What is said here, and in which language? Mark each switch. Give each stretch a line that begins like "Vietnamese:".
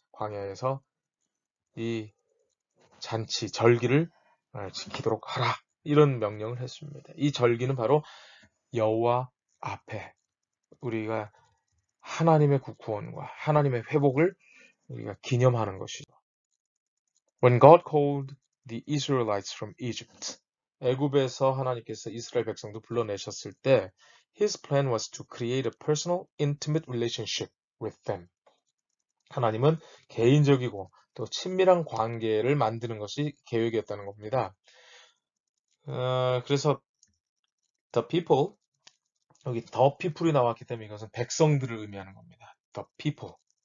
Korean: 광야에서 이 잔치, 절기를 지키도록 하라. 이런 명령을 했습니다. 이 절기는 바로 여호와 앞에 우리가 하나님의 구원과 하나님의 회복을 우리가 기념하는 것이죠.
English: When God called the Israelites from Egypt,
Korean: 애굽에서 하나님께서 이스라엘 백성도 불러내셨을 때,
English: His plan was to create a personal, intimate relationship with them.
Korean: 하나님은 개인적이고 또 친밀한 관계를 만드는 것이 계획이었다는 겁니다. 그래서
English: the people
Korean: 여기 the people이 나왔기 때문에 이것은 백성들을 의미하는 겁니다.
English: The people.